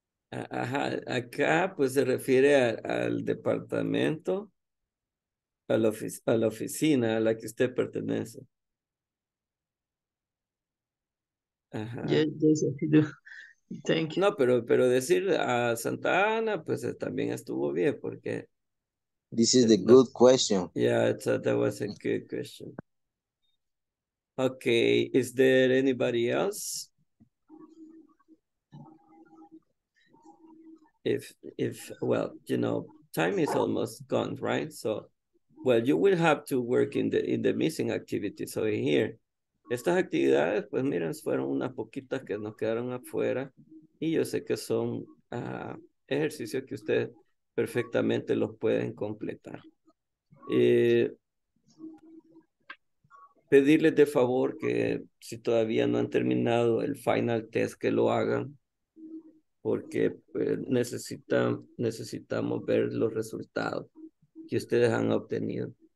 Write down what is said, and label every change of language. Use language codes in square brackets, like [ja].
[es] Ajá, acá pues se refiere al departamento, a la oficina a la que usted pertenece. [en] Ajá. Yes, thank you. [es] No, pero decir a Santa Ana, pues también estuvo bien, porque... [en] This is the good question. Yeah, I thought that was a good question. Okay, is there anybody else? Time is almost gone, right? So, well, you will have to work in the missing activities over here. [es] Estas actividades, pues miren, fueron unas poquitas que nos quedaron afuera. Y yo sé que son ejercicios que usted perfectamente los pueden completar. Pedirles de favor que si todavía no han terminado el final test, que lo hagan, porque necesitamos ver los resultados que ustedes han obtenido.